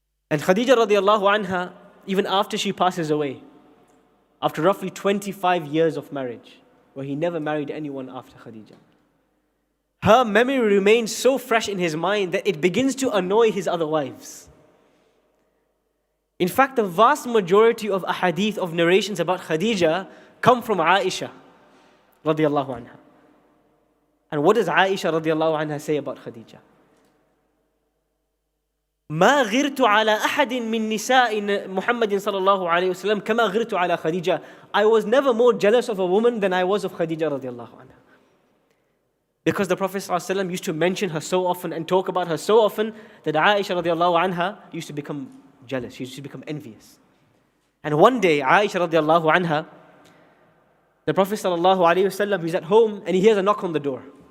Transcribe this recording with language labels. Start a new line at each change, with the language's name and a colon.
English: And Khadija radiallahu anha, even after she passes away, after roughly 25 years of marriage, where he never married anyone after Khadija, her memory remains so fresh in his mind that it begins to annoy his other wives. In fact, the vast majority of ahadith of narrations about Khadija come from Aisha radiallahu anha. And what does Aisha radiallahu anha say about Khadija?
Arabic: مَا غِرْتُ عَلَىٰ أَحَدٍ مِّن نِسَاءٍ مُحَمَّدٍ صَلَى اللَّهُ عَلَيْهِ وَسَلَمْ كَمَا غِرْتُ عَلَىٰ Khadija.
English: I was never more jealous of a woman than I was of Khadija radiallahu anha. Because the Prophet sallallahu alayhi wa sallam used to mention her so often and talk about her so often that Aisha radiallahu anha used to become jealous. She used to become envious. And one day, Aisha radiallahu anha, the Prophet sallallahu alayhi wasallam, he's at home and he hears a knock on the door.